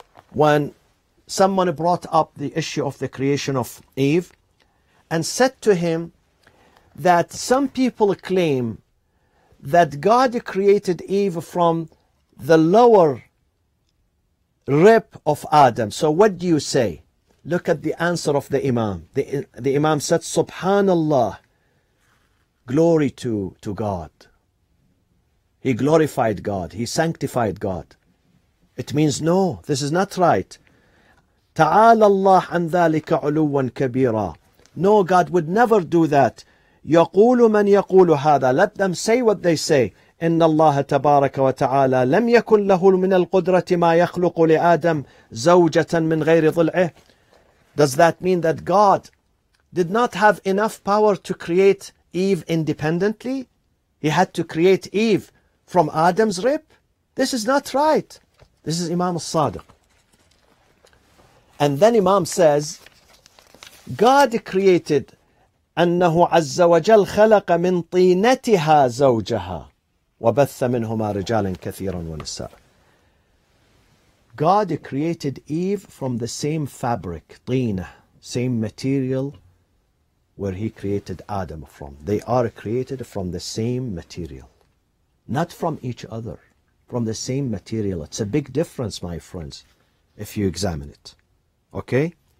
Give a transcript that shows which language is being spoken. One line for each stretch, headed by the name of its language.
English: When someone brought up the issue of the creation of Eve and said to him that some people claim that God created Eve from the lower rib of Adam, so what do you say? Look at the answer of the Imam. The Imam said, Subhanallah, glory to God. He glorified God. He sanctified God. It means, no, this is not right.
Arabic: تعالى الله عن ذلك علوا كبيرا.
English: No, God would never do that.
Arabic: يقول من يقول هذا.
English: Let them say what they say.
Arabic: إن الله تبارك وتعالى لم يكن له من القدرة ما يخلق لآدم زوجة من غير ضلعه.
English: Does that mean that God did not have enough power to create Eve independently? He had to create Eve from Adam's rib? This is not right. This is Imam al-Sadiq. And then Imam says, God created
Arabic: أنه عز وجل خلق من طينتها زوجها وبث منهما رجالا كثيرا ونساء.
English: God created Eve from the same fabric, طينه, same material where he created Adam from. They are created from the same material, not from each other, from the same material. It's a big difference, my friends, if you examine it. Okay?